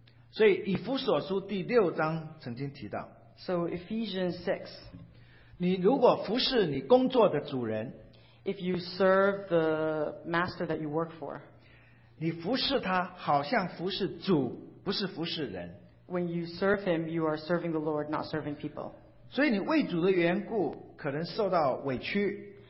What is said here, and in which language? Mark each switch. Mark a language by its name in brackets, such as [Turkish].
[Chinese] 所以以弗所书第六章曾经提到。 [English] So Ephesians 6. [Chinese] 你如果服侍你工作的主人。 [English] If you serve the master that you work for. [Chinese] 你服侍他好像服侍主，不是服侍人。 [English] When you serve him, you are serving the Lord, not serving people. [Chinese] 所以你为主的缘故可能受到委屈。